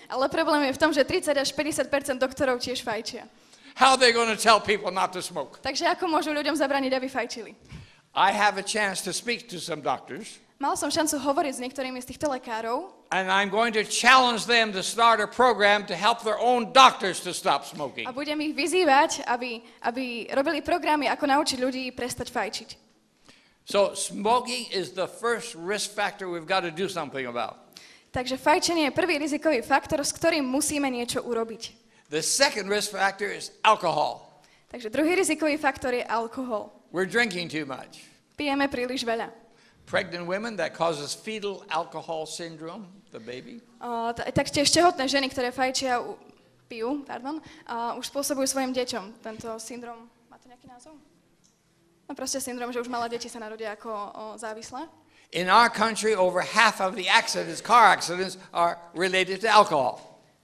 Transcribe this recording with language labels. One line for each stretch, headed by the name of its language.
Slovak: Ale problém je v tom, že 30 až 50% doktorov tiež fajčia.
English: How are they going to tell people not to smoke?
Slovak: Takže ako môžu ľuďom zabrániť, aby fajčili?
English: I have a chance to speak to some doctors.
Slovak: Mal som šancu hovoriť s niektorými z týchto lekárov.
English: And I'm going to challenge them to start a program to help their own doctors to stop smoking.
Slovak: A budem ich vyzývať, aby robili programy, ako naučiť ľudí prestať fajčiť.
English: So smoking is the first risk factor we've got to do something about.
Slovak: Takže fajčenie je prvý rizikový faktor, s ktorým musíme niečo urobiť.
English: The second risk factor is alcohol.
Slovak: Takže druhý rizikový faktor je alkohol.
English: We're drinking too much.
Slovak: Pijeme príliš veľa.
English: Pregnant women, that causes fetal alcohol syndrome, the baby.
Slovak: Tak tiež tehotné ženy, ktoré fajčia, pijú, pardon, už spôsobujú svojim deťom tento syndrom. Má to nejaký názov? No proste syndrom, že už malé deti sa narodia ako závislé.
English: In our country, over half of the accidents, car accidents, are related to alcohol.